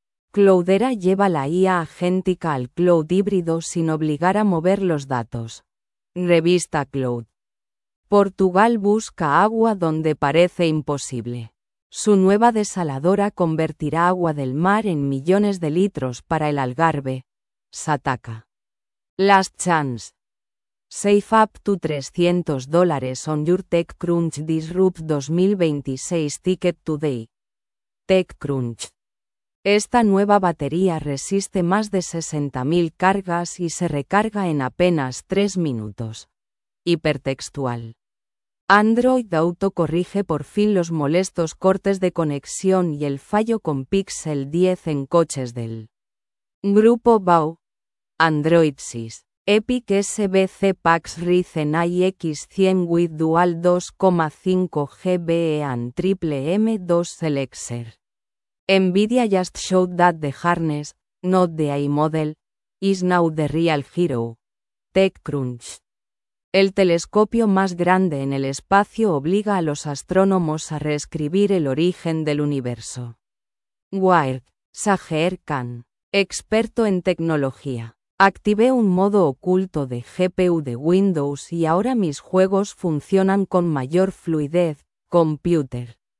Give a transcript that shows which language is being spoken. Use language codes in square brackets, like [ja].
[es] Cloudera lleva la IA agéntica al cloud híbrido sin obligar a mover los datos. Revista Cloud. Portugal busca agua donde parece imposible. Su nueva desaladora convertirá agua del mar en millones de litros para el Algarve. [en] Sataka. Last chance. Save up to $300 on your TechCrunch Disrupt 2026 ticket today. TechCrunch. [es] Esta nueva batería resiste más de 60.000 cargas y se recarga en apenas 3 minutos. Hipertextual. Android Auto corrige por fin los molestos cortes de conexión y el fallo con Pixel 10 en coches del grupo BAU. Android SIS. [en] Epic SBC Pax Ryzen iX100 with Dual 2,5 GB and Triple M2 Selexer. Nvidia just showed that the harness, not the AI model, is now the real hero. TechCrunch. [es] El telescopio más grande en el espacio obliga a los astrónomos a reescribir el origen del universo. Wired, Saher Khan, experto en tecnología. Activé un modo oculto de GPU de Windows y ahora mis juegos funcionan con mayor fluidez, computer.